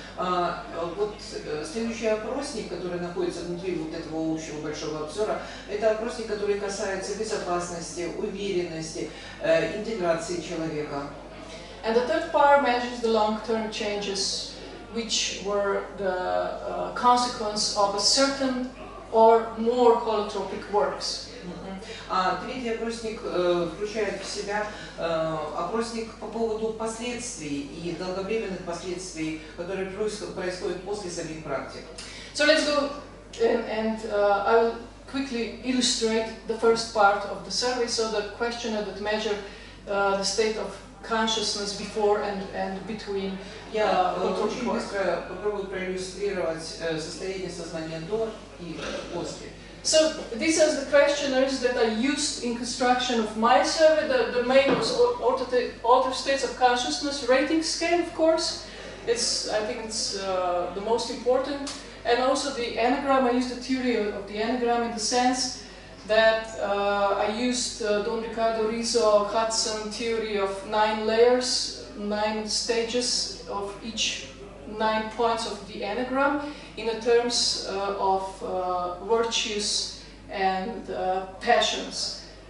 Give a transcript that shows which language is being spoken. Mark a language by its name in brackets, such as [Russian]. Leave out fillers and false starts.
[Russian] Вот следующий опросник, который находится внутри вот этого общего большого обзора, это опросник, который касается безопасности, уверенности, интеграции человека. [English] And the third part measures the long-term changes, which were the consequence of a certain or more holotropic works. [Russian] А третий опросник включает в себя опросник по поводу последствий и долговременных последствий, которые происходят после самих практик. [English] So let's go and I will quickly illustrate the first part of the survey. So the questionnaire that measures the state of consciousness before and between. [Russian] Я очень быстро попробую проиллюстрировать состояние сознания до и после. [English] So these are the questionnaires that I used in construction of my survey. The main was altered states of consciousness rating scale, of course. I think it's the most important. And also the anagram. I used the theory of the anagram in the sense that I used Don Ricardo Rizzo Hudson theory of nine layers, nine stages of each nine points of the anagram in the terms of virtues and passions.